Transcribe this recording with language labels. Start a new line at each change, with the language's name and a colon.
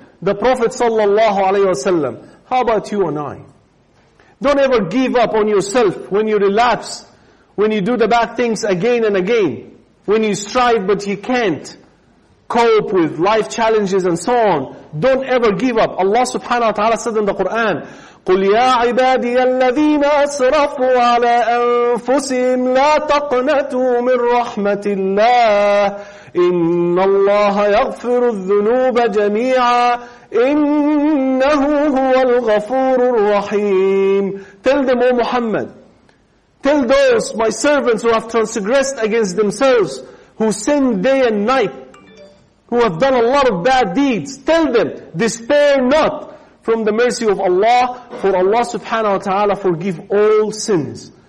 English: The Prophet sallallahu alaihi wasallam. How about you and I? Don't ever give up on yourself when you relapse, when you do the bad things again and again, when you strive but you can't cope with life challenges and so on. Don't ever give up. Allah subhanahu wa ta'ala said in the Quran,
Arabic: قُلْ يَا عِبَادِيَ الَّذِينَ أَسْرَفُوا عَلَىٰ أَنفُسِهِمْ لَا تَقْنَتُوا مِنْ رَحْمَةِ اللَّهِ إِنَّ اللَّهَ يَغْفِرُ الذُّنُوبَ جَمِيعًا إِنَّهُ هُوَ الْغَفُورُ الرَّحِيمُ.
English: Tell them, O Muhammad, tell those, my servants, who have transgressed against themselves, who sin day and night, who have done a lot of bad deeds, tell them, despair not from the mercy of Allah, for Allah subhanahu wa ta'ala forgive all sins.